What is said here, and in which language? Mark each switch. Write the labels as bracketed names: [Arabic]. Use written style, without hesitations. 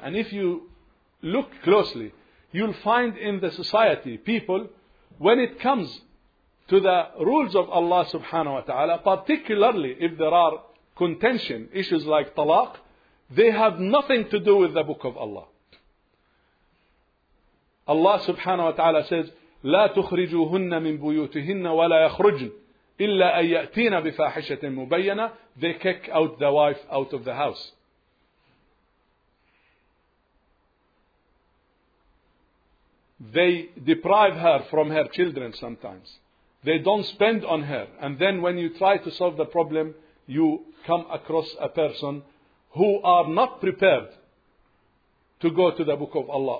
[English] And if you look closely, you'll find in the society people, when it comes to the rules of Allah subhanahu wa ta'ala, particularly if there are contention issues like talaq, they have nothing to do with the book of Allah. Allah subhanahu wa ta'ala says, [Arabic] لا تخرجوهن من بيوتهن ولا يخرجن إلا أن يأتين بفاحشة مبينة. [English] They kick out the wife out of the house. They deprive her from her children sometimes. They don't spend on her. And then when you try to solve the problem, you come across a person who are not prepared to go to the book of Allah.